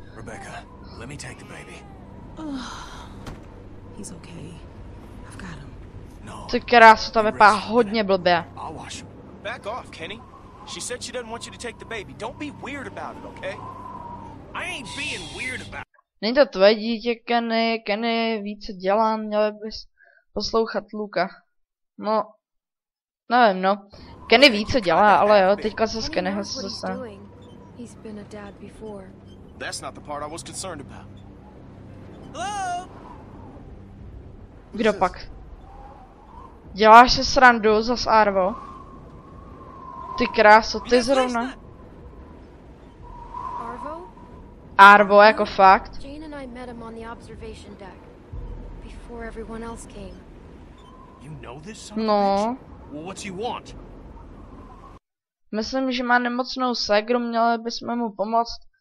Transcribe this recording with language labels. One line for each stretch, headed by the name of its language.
English: Rebecca, let me take the baby. He's okay. I've got him. No.
Czech: Ty krása, to vypadá hodně blbě.
English: I'll wash him. Back off, Kenny. She said she doesn't want you to take the baby. Don't be weird about it, okay? I ain't being weird about it.
Czech: Není to tvoje dítě, Kenny. Kenny ví, co dělá, měl bys poslouchat Luka. No, nevím, no. Kenny ví, co dělá, ale jo, teďka se z Kennyho se zase.
English: He's been a dad before. That's not the part I was concerned about.
Czech: Hello? Kdo pak? Děláš si srandu zas, Arvo? Ty kráso, ty zrovna. Arvo? Arvo, jako fakt?
English: Jane and I met him on the observation deck before everyone else came. You know this? No. Well, what do you want?
Czech: Myslím, že má nemocnou ségru, měli bychom mu pomoct.